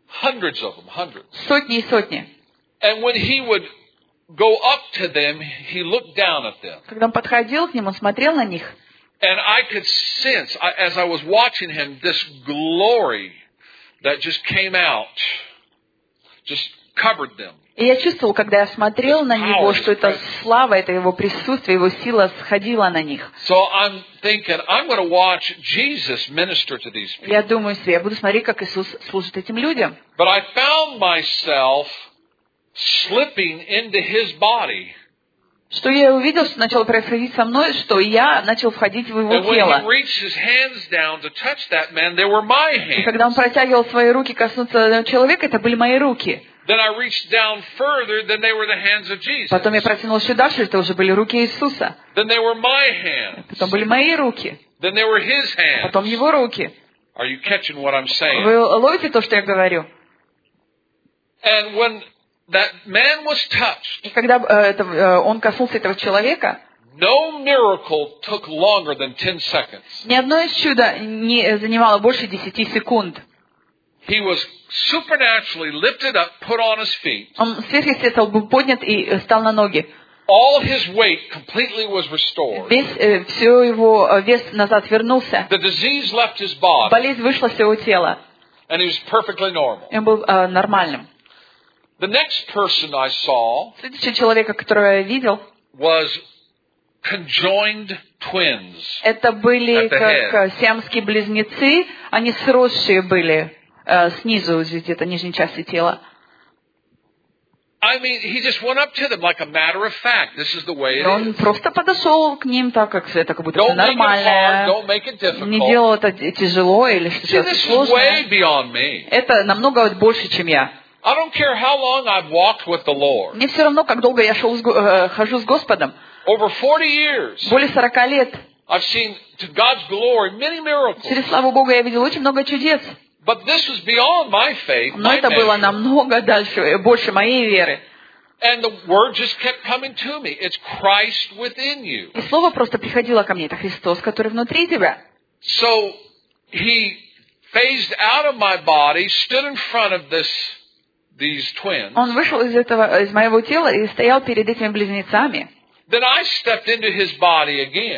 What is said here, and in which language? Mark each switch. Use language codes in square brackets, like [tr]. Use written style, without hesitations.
[en] Hundreds of them, hundreds. [ru] Сотни и сотни. [en] And when he would go up to them, he looked down at them. [ru] Когда он подходил к ним, он смотрел на них. [en] And I could sense, as I was watching him, this glory that just came out, just covered them. [ru] И я чувствовал, когда я смотрел на него, что это слава, это его присутствие, его сила сходила на них. [en] So I'm thinking, I'm going to watch Jesus minister to these people. [ru] Я думаю себе, я буду смотреть, как Иисус служит этим людям. [en] But I found myself slipping into his body. [ru] Что я увидел, что начало происходить со мной, что я начал входить в его тело. [en] And when he reached his hands down to touch that man, they were my hands. [ru] И когда он протягивал свои руки коснуться человека, это были мои руки. [en] Then I reached down further, then they were the hands of Jesus. [ru] Потом я протянул еще дальше, это уже были руки Иисуса. [en] Then they were my hands. [ru] Потом были мои руки. [en] Then they were his hands. [ru] Потом его руки. [en] Are you catching what I'm saying? [ru] Вы ловите то, что я говорю? [en] And when that man was touched. [ru] И когда он коснулся этого человека, [en] no miracle took longer than 10 seconds. [ru] Ни одно из чуда не занимало больше 10 секунд. [en] He was supernaturally lifted up, put on his feet. [ru] Он сверхъестественно был поднят и встал на ноги. [en] All his weight completely was restored. [ru] Все его вес назад вернулся. [en] The disease left his body. [ru] Болезнь вышла с его тела. [en] And he was perfectly normal. [ru] Он был нормальным. [en] The next person I saw, [ru] следующий человек, которого я видел, [en] was conjoined twins. [ru] Это были как сиамские близнецы, они сросшие были. Снизу, где-то нижней части тела. [en] I mean, he just went up to them like a matter of fact. This is the way it is. [ru] Он просто подошел к ним так, как это как будто нормально. [en] Don't make it difficult. [ru] Не делал это тяжело или что-то сложное. [en] See, this is way beyond me. [ru] Это намного больше, чем я. [en] I don't care how long I've walked with the Lord. [ru] Мне все равно, как долго я хожу с Господом. [en] Over 40 years. [ru] Более 40 лет. [en] I've seen to God's glory many miracles. [ru] Через славу Бога я видел очень много чудес. [en] But this was beyond my faith. [ru] Но это было намного дальше, больше моей веры. [en] And the word just kept coming to me. It's Christ within you. [ru] И слово просто приходило ко мне. Это Христос, который внутри тебя. [en] So he phased out of my body, stood in front of these twins. [ru] Он вышел из этого, из моего тела и стоял перед этими близнецами. [en] Then I stepped into his body again.